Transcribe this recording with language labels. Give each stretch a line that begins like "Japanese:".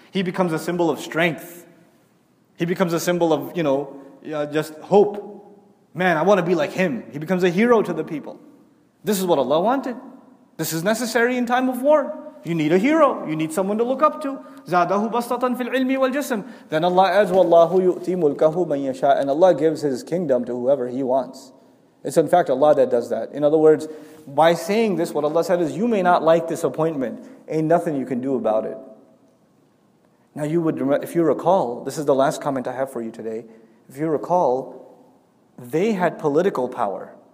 English: He becomes a symbol of strength. He becomes a symbol of, you know, just hope. Man, I want to be like him. He becomes a hero to the people. This is what Allah wanted. This is necessary in time of war. You need a hero. You need someone to look up to.
Arabic: زَادَهُ بَسْطَةً فِي الْعِلْمِ وَالْجِسْمِ.
English: Then Allah adds,
Arabic: وَاللَّهُ يُؤْتِي مُلْكَهُ مَنْ يَشَاءُ.
English: And Allah gives His kingdom to whoever He wants. It's in fact Allah that does that. In other words, by saying this, what Allah said is, you may not like this appointment. Ain't nothing you can do about it. Now you would, if you recall, this is the last comment I have for you today. If you recall, they had political power.